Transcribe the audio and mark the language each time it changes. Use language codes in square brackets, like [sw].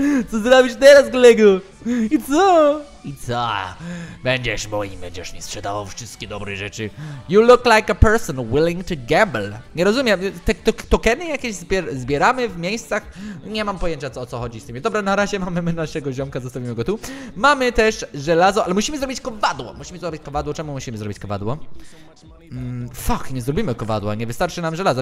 [pl] Co zrobisz teraz, kolego? I co? Będziesz moim, będziesz mi sprzedawał wszystkie dobre rzeczy. [en] You look like a person willing to gamble. [pl] Nie rozumiem, te tokeny jakieś zbieramy w miejscach. Nie mam pojęcia, o co chodzi z tymi. Dobra, na razie mamy naszego ziomka, zostawimy go tu. Mamy też żelazo, ale musimy zrobić kowadło. Czemu musimy zrobić kowadło? Fuck, nie zrobimy kowadła, nie wystarczy nam żelaza.